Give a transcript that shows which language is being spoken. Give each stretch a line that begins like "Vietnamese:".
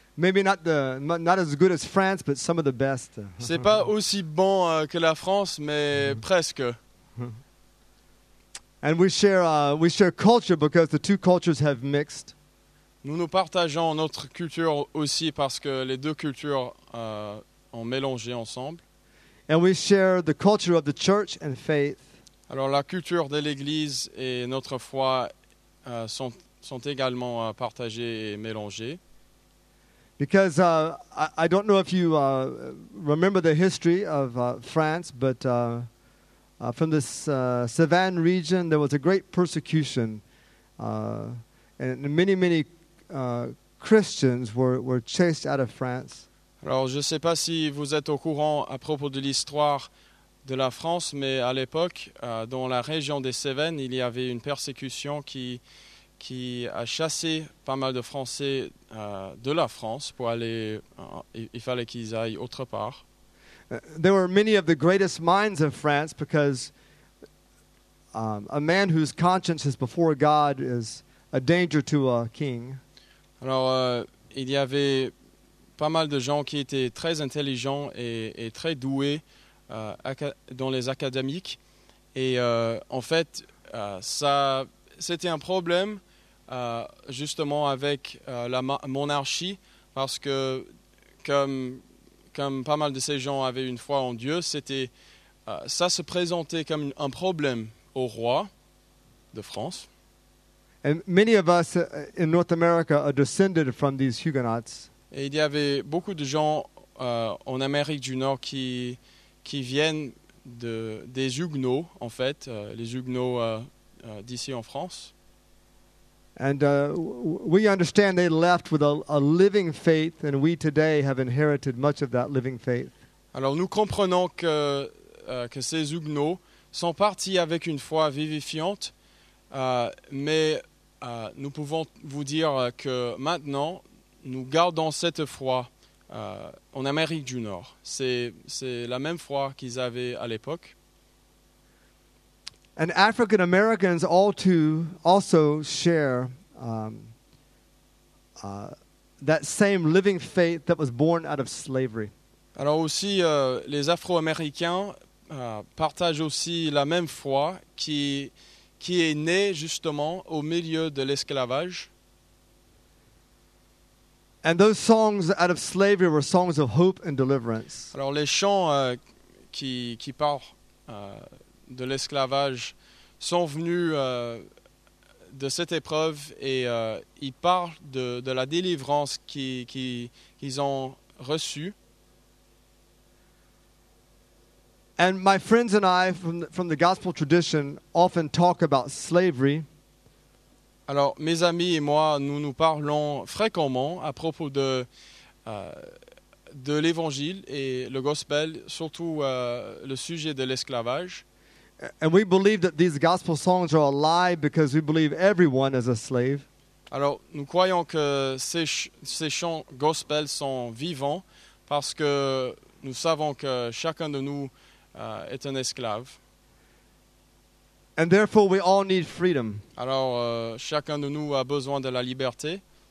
English: Maybe not as good as France, but some of the best.
French: C'est pas aussi bon que la France, mais presque.
English: And we share culture because the two cultures have mixed.
French: Nous partageons notre culture aussi parce que les deux cultures ont mélangé ensemble.
English: And we share the culture of the church and faith.
French: Alors la culture de l'Église et notre foi sont également partagées et mélangées.
English: Because I don't know if you remember the history of France, but from this Cévennes region, there was a great persecution and many, many Christians were chased out of France.
French: Alors, je ne sais pas si vous êtes au courant à propos de l'histoire de la France, mais à l'époque, dans la région des Cévennes, il y avait une persécution qui a chassé pas mal de Français de la France pour aller. Il fallait qu'ils aillent autre part.
English: There were many of the greatest minds of France because a man whose conscience is before God is a danger to a king.
French: Alors, il y avait pas mal de gens qui étaient très intelligents et très doués dans les académiques. Et en fait, ça, c'était un problème justement avec la monarchie, parce que comme pas mal de ces gens avaient une foi en Dieu, c'était, ça se présentait comme un problème au roi de France.
English: And many of us in North America are descended from these Huguenots.
French: Et il y avait beaucoup de gens en Amérique du Nord qui viennent des Huguenots, en fait, les Huguenots d'ici en France.
English: And we understand they left with a living faith, and we today have inherited much of that living faith.
French: Alors nous comprenons que ces Huguenots sont partis avec une foi vivifiante, mais nous pouvons vous dire que maintenant, nous gardons cette foi en Amérique du Nord. C'est la même foi qu'ils avaient à l'époque.
English: And African Americans all too also share that same living faith that was born out of slavery.
French: Alors aussi, les Afro-Américains partagent aussi la même foi qui est né justement au milieu de l'esclavage.
English: And those songs out of slavery were songs of hope and deliverance.
French: Alors les chants qui partent de l'esclavage sont venus de cette épreuve et ils parlent de la délivrance qu'ils ont reçue.
English: And my friends and I from the gospel tradition often talk about slavery.
French: Alors mes amis et moi nous parlons fréquemment à propos de l'évangile et le gospel, surtout le sujet de l'esclavage.
English: And we believe that these gospel songs are a lie because we believe everyone is a slave.
French: Alors nous croyons que ces chants gospel sont vivants parce que nous savons que chacun de nous est un esclave.
English: And therefore we all need freedom.
French: Alors chacun de nous a besoin de la liberté.